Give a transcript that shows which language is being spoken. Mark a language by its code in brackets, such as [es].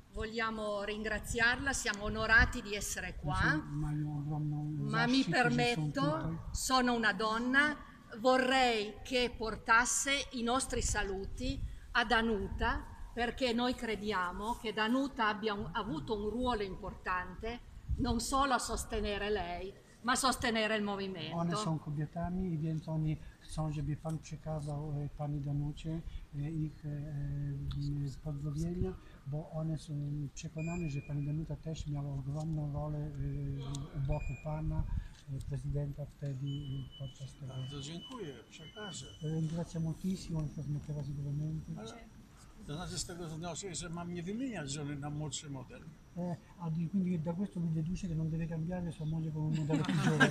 [it] Vogliamo ringraziarla, siamo onorati di essere qua, ma mi permetto, sono una donna, vorrei che portasse i nostri saluti ad Anuta, perché noi crediamo che Anuta abbia avuto un ruolo importante non solo a sostenere lei, ma a sostenere il movimento. [pl] One są kobietami i więc oni chcą, żeby pan przekazał pani Danucie ich pozdrowienia, bo one są przekonane, że pani Danuta też miała ogromną rolę u boku pana prezydenta wtedy podczas tego. Bardzo dziękuję, przekażę. [it] Grazie moltissimo, trasmetterò sicuramente. [pl] To znaczy z tego wniosek, że mam nie wymieniać żony na młodszy model. [it] Quindi da questo mi deduce che non deve cambiare sua moglie come un modello più giovane.